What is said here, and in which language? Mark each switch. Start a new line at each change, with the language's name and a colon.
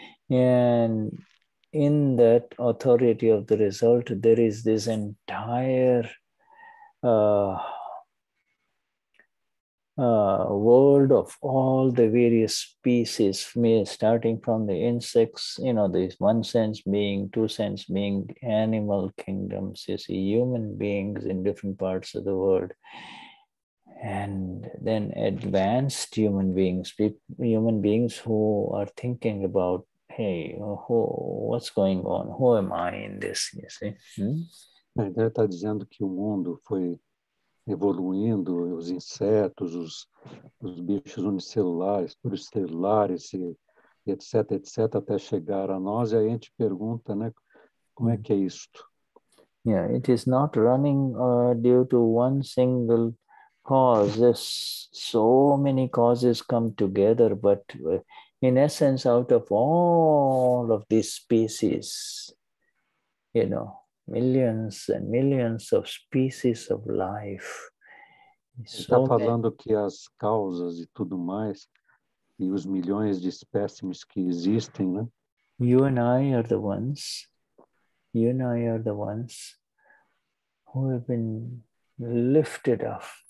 English: And in that authority of the result, there is this entire world of all the various species, starting from the insects, you know, the one sense being, two sense being, animal kingdoms, you see, human beings in different parts of the world, and then advanced human beings, human beings who are thinking about, hey, what's going on? Who am I in this? You see?
Portuguese: Ele está dizendo que o mundo foi evoluindo, os insetos, os bichos unicelulares, pluricelulares, etc, etc, até chegar a nós. E aí a gente pergunta, né, como é que é isto?
English: Yeah, it is not running due to one single cause. There's so many causes come together, but in essence, out of all of these species, you know, millions and millions of species of life.
Portuguese: Está falando que as causas e tudo mais, e os milhões de espécimes que existem, né?
English: You and I are the ones who have been lifted up.